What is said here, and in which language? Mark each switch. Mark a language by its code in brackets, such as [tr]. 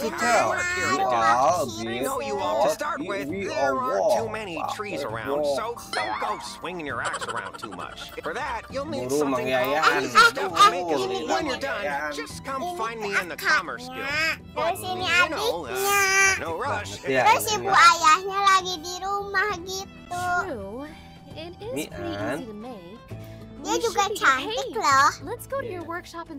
[en] the area. I know you all. To start with, there are too many trees around, so don't go swinging your axe around too much. For that, you'll need something called easy stuff to make a living. When you're done, just come find me in the commerce guild. You know, no rush. [id] Terus ibu ayahnya lagi di rumah gitu. [en] True, it is pretty easy to make. [id] Dia juga cantik loh. [en] Let's go to your workshop and